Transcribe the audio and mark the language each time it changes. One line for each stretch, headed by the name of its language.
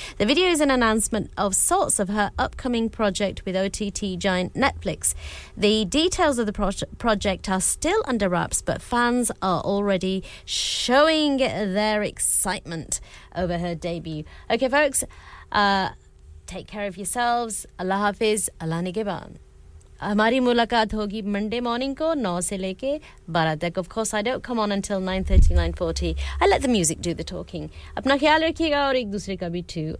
English: The video is an announcement of sorts of her upcoming project with OTT giant Netflix. The details of the project are still under wraps, but fans are already showing their excitement over her debut. Okay, folks, take care of yourselves.
Hindi: Allah Hafiz, Allah Nigeban. हमारी मुलाकात होगी Monday morning को 9 से लेके 12 तक.
English: Of course, I don't come on until 9:30, 9:40. I let the music do the talking.
Hindi: अपना ख्याल रखिएगा और एक दूसरे का भी too.